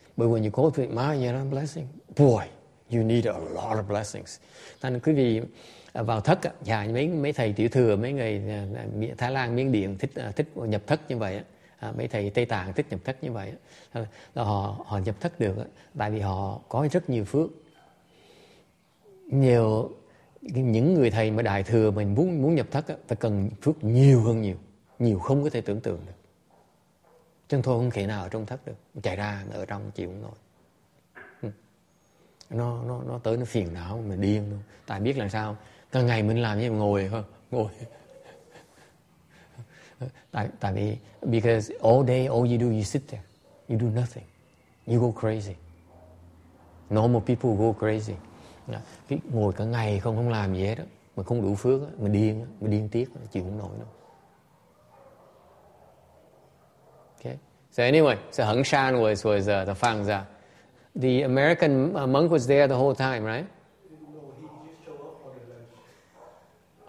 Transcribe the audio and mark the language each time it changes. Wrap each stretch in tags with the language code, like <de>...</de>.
<en>But when you cultivate Mahayana blessing, boy, you need a lot of blessings.</en> <vi>Thế nên quý vị vào thất á, dạ, mấy thầy tiểu thừa, mấy người Thái Lan, Miến Điện thích nhập thất như vậy á. Mấy thầy Tây Tạng thích nhập thất như vậy là họ nhập thất được tại vì họ có rất nhiều phước. Nhiều những người thầy mà đại thừa mình muốn nhập thất phải cần phước nhiều hơn nhiều không có thể tưởng tượng được. Chân thôi không thể nào ở trong thất được, chạy ra ở trong chịu không nổi, nó tới nó phiền não mình điên luôn. Tại biết là sao, cả ngày mình làm như ngồi. Tại vì,</vi> <en>because all day, all you do, you sit there. You do nothing. You go crazy. Normal people go crazy.</en> <vi>Ngồi cả ngày không làm gì hết. Mà không đủ phước, mà điên tiếc, chịu không nổi đâu.</vi> <en>Okay. So anyway, so Hận Xiên was the Phang Gia. The American monk was there the whole time, right? No, he just showed up for the lunch.</en>